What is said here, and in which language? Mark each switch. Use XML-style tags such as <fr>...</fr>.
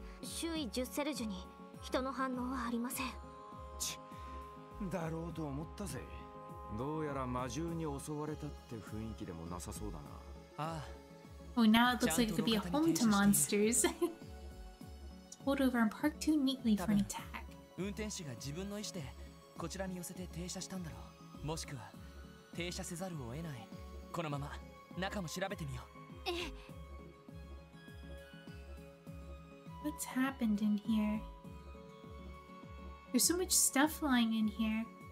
<ja>周囲10セルジュに人の反応はありません。ち、だろうと思ったぜ。どうやら魔獣に襲われたって雰囲気でもなさそうだな。ああ。</ja> <en>Oh, now it looks like it could be a home to monsters. It's pulled over and parked too neatly for an attack.</en> <ja>運転手が自分の意思でこちらに寄せて停車したんだろう。もしくは停車せざるを得ない。このまま中も調べてみよう。ええ。</ja> <en>What's happened in here? There's so much stuff lying in here.</en>